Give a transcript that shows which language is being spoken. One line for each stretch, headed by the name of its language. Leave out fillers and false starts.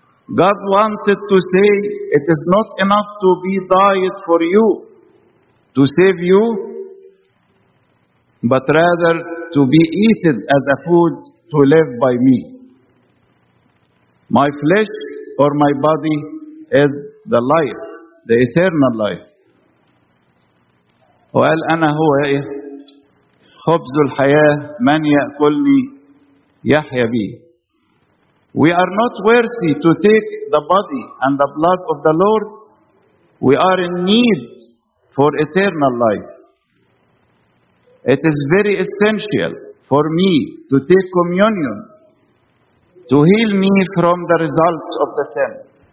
English: God wanted to say, it is not enough to be died for you, to save you, but rather to be eaten as a food to live by me. My flesh or my body is the life, the eternal life.
Arabic: وقال أنا هو خبز الحياة من يأكلني يحيى بي.
English: We are not worthy to take the body and the blood of the Lord. We are in need for eternal life. It is very essential for me to take communion to heal me from the results of the sin.